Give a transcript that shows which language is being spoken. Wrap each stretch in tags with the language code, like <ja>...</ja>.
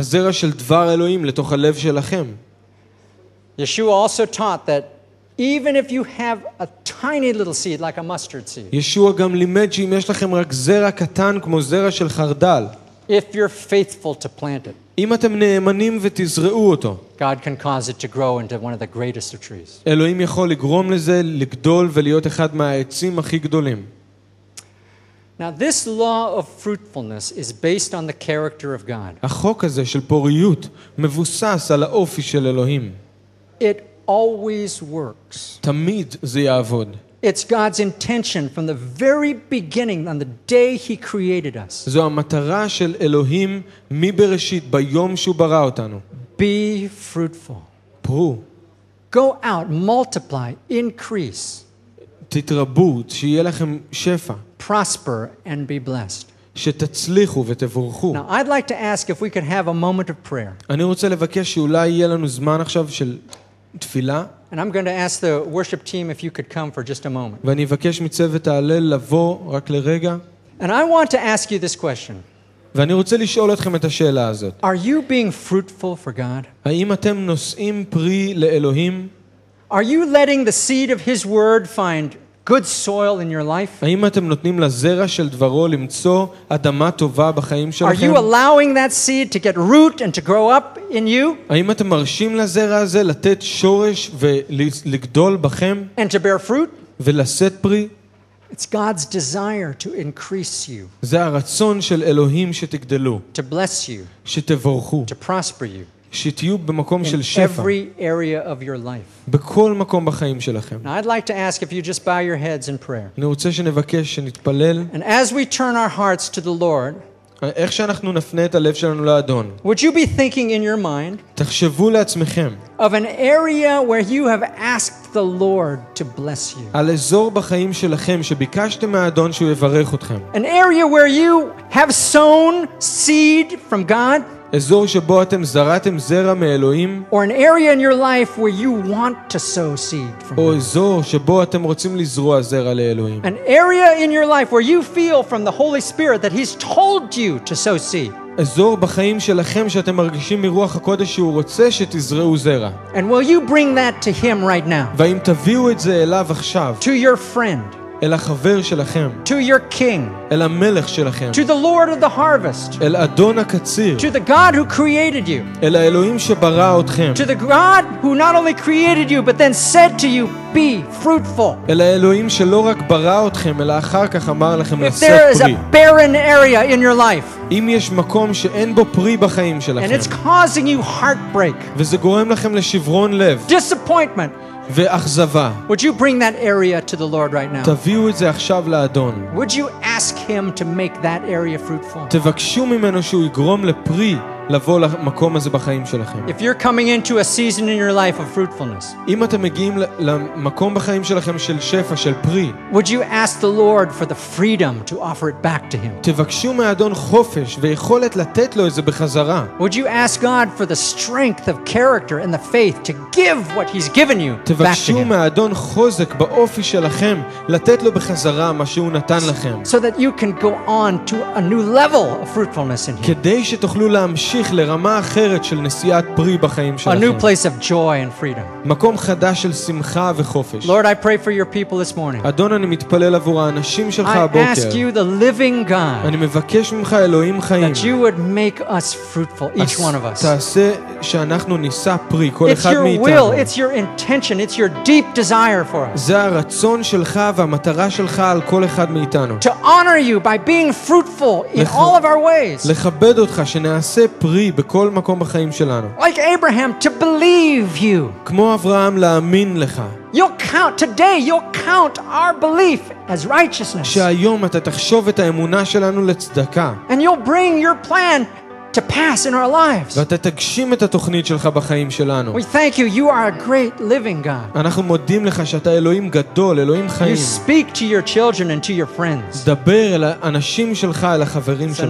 <he>הזרע של דבר אלוהים לתוך הלב שלכם.</he> <en>Yeshua also taught that even if you have a tiny little seed like a mustard seed.</en> <he>ישוע גם לימד שאם יש לכם רק זרע קטן כמו זרע של חרדל.</he> <en>If you're faithful to plant it.</en> <he>אם אתם נאמנים ותזרעו אותו.</he> <en>God can cause it to grow into one of the greatest of trees.</en> <he>אלוהים יכול לגרום לזה לגדול ולהיות אחד מהעצים הכי גדולים.</he> <en>Now this law of fruitfulness is based on the character of God.</en> <he>החוק הזה של פוריות מבוסס על האופי של אלוהים.</he> <en>It always works.</en> <he>תמיד זה יעבוד.</he> <en>It's God's intention from the very beginning, on the day He created us.</en> <he>זו המטרה של אלוהים מבראשית, ביום שהוא ברא אותנו.</he> <en>Be fruitful.</en> <he>פרו.</he> <en>Go out, multiply, increase.</en> <he>תתרבו, שיהיה לכם שפע.</he> <en>Prosper and be blessed.</en> <he>שתצליחו ותבורכו.</he> <en>Now I'd like to ask if we could have a moment of prayer.</en> <he>אני רוצה לבקש שאולי יהיה לנו זמן עכשיו של תפילה.</he> <en>And I'm going to ask the worship team if you could come for just a moment.</en> <he>ואני אבקש מצוות ההלל לבוא רק לרגע.</he> <en>And I want to ask you this question.</en> <he>ואני רוצה לשאול אתכם את השאלה הזאת.</he> <en>Are you being fruitful for God?</en> <he>האם אתם נושאים פרי לאלוהים?</he> <en>Are you letting the seed of his word find good soil in your life?</en> <he>האם אתם נותנים לזרע של דברו למצוא אדמה טובה בחיים שלכם?</he> <en>Are you allowing that seed to get root and to grow up in you?</en> <he>האם אתם מרשים לזרע הזה לתת שורש ולגדול בכם?</he> <en>And to bear fruit?</en> <he>ולשאת פרי?</he> <en>It's God's desire to increase you.</en> <he>זה הרצון של אלוהים שתגדלו.</he> <en>To bless you.</en> <he>שתבורכו.</he> <en>To prosper you.</en> <he>שתהיו במקום של שפע.</he> <en>Every area of your life.</en> <he>בכל מקום בחיים שלכם.</he> <en>Now I'd like to ask if you just bow your heads in prayer.</en> <he>אני רוצה שנבקש שנתפלל.</he> <en>And as we turn our hearts to the Lord,</en> <he>איך שאנחנו נפנה את הלב שלנו לאדון.</he> <en>Would you be thinking in your mind?</en> <he>תחשבו לעצמכם.</he> <en>Of an area where you have asked the Lord to bless you.</en> <he>על אזור בחיים שלכם שביקשתם מהאדון שהוא יברך אתכם.</he> <en>An area where you have sown seed from God.</en> <he>אזור שבו אתם זרעתם זרע מאלוהים.</he> <en>Or an area in your life where you want to sow seed from God.</en> <he>או אזור שבו אתם רוצים לזרוע זרע לאלוהים.</he> <en>An area in your life where you feel from the Holy Spirit that he's told you to sow seed.</en> <he>אזור בחיים שלכם שאתם מרגישים מרוח הקודש שהוא רוצה שתזרעו זרע.</he> <en>And will you bring that to him right now?</en> <he>ואם תביאו את זה אליו עכשיו.</he> <en>To your friend.</en> <he>אל החבר שלכם.</he> <en>To your king.</en> <he>אל המלך שלכם.</he> <en>To the Lord of the harvest.</en> <he>אל אדון הקציר.</he> <en>To the God who created you.</en> <he>אל האלוהים שברא אתכם.</he> <en>To the God who not only created you but then said to you, be fruitful.</en> <he>אל האלוהים שלא רק ברא אתכם אלא אחר כך אמר לכם לשאת פרי.</he> <en>If there is a barren area in your life.</en> <he>אם יש מקום שאין בו פרי בחיים שלכם.</he> <en>And it's causing you heartbreak.</en> <he>וזה גורם לכם לשברון לב.</he> <en>Disappointment.</en> <he>ואכזבה.</he> <en>Would you bring that area to the Lord right now?</en> <he>תביאו את זה עכשיו לאדון.</he> <en>Would you ask him to make that area fruitful?</en> <he>תבקשו ממנו שהוא יגרום לפרי לבוא למקום הזה בחיים שלכם.</he> <en>If you're coming into a season in your life of fruitfulness.</en> <he>אם אתם מגיעים למקום בחיים שלכם של שפע של פרי.</he> <en>Would you ask the Lord for the freedom to offer it back to him?</en> <he>תבקשו מאדון חופש ויכולת לתת לו את זה בחזרה.</he> <en>Would you ask God for the strength of character and the faith to give what he's given you back to him?</en> <he>תבקשו מאדון חוזק באופי שלכם לתת לו בחזרה מה שהוא נתן לכם.</he> <en>So that you can go on to a new level of fruitfulness in him.</en> <he>כדי שתוכלו להמשיך לרמה אחרת של נשיאת פרי בחיים שלכם.</he> <en>A new place of joy and freedom.</en> <he>מקום חדש של שמחה וחופש.</he> <en>Lord, I pray for your people this morning.</en> <he>אדון, אני מתפלל עבור האנשים שלך הבוקר.</he> <en>I ask you, the living God.</en> <he>אני מבקש ממך, אלוהים חיים.</he> <en>That you would make us fruitful, each one of us.</en> <he>תעשה שאנחנו נישא פרי, כל אחד מאיתנו.</he> <en>It's your will, it's your intention, it's your deep desire for us.</en> <he>זה הרצון שלך והמטרה שלך על כל אחד מאיתנו.</he> <en>To honor you by being fruitful in all of our ways.</en> <he>לכבד אותך, שנעשה פרי בכל מקום בחיים שלנו.</he> <en>Like Abraham, to believe you.</en> <he>כמו אברהם, להאמין לך.</he> <en>You'll count today, you'll count our belief as righteousness.</en> <he>שהיום אתה תחשוב את האמונה שלנו לצדקה.</he> <en>And you'll bring your plan to pass in our lives.</en> <he>ואתה תגשים את התוכנית שלך בחיים שלנו.</he> <en>We thank you, you are a great living God.</en> <he>אנחנו מודים לך שאתה אלוהים גדול, אלוהים חיים.</he> <en>You speak to your children and to your friends.</en> <he>דבר אל האנשים שלך, אל החברים שלך.</he>